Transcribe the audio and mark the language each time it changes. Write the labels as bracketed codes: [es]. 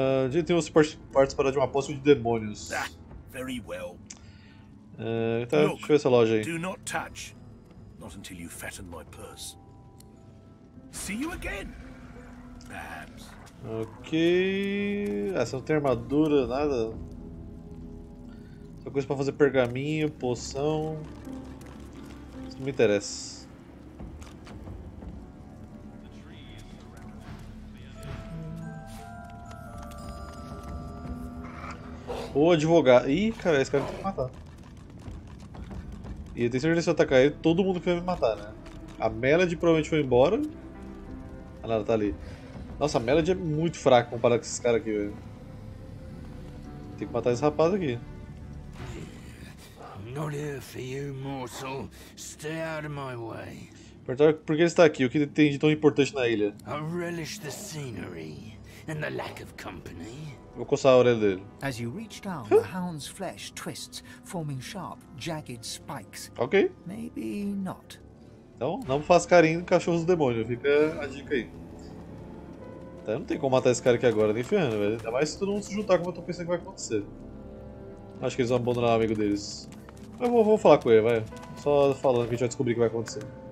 [pt] Gente, tem uns partes para de uma aposta de demônios. [en] Ah, very well. Tá, look, [pt] deixa eu ver essa loja aí. [en] Do not touch, not until you fatten my purse. See you again, perhaps. [pt] Ok, essa não tem armadura, nada. Só coisa para fazer pergaminho, poção. Isso não me interessa. O advogado. Ih, cara, esse cara tem que matar. E eu tenho certeza que se eu atacar ele, todo mundo que vai me matar, né? A Melody provavelmente foi embora. Ah, não, ela tá ali. Nossa, a Melody é muito fraca comparado com esses caras aqui, velho. Tem que matar esse rapaz aqui. [en] Not here for you, mortal. Stay out of my way. [pt] Por que ele está aqui? O que ele tem de tão importante na ilha? [en] I relish the scenery and the lack of company. [pt] Vou coçar a orelha dele. [en] As you reach down, the hound's flesh twists, forming sharp, jagged spikes. Ok. Maybe not. [pt] Então, não faz carinho em cachorros do demônio. Fica a dica aí. Até não tem como matar esse cara aqui agora, nem ferrando, velho. Ainda mais se todo mundo se juntar, como eu tô pensando que vai acontecer. Acho que eles vão abandonar o amigo deles. Eu vou falar com ele, vai. Só falando que a gente vai descobrir o que vai acontecer.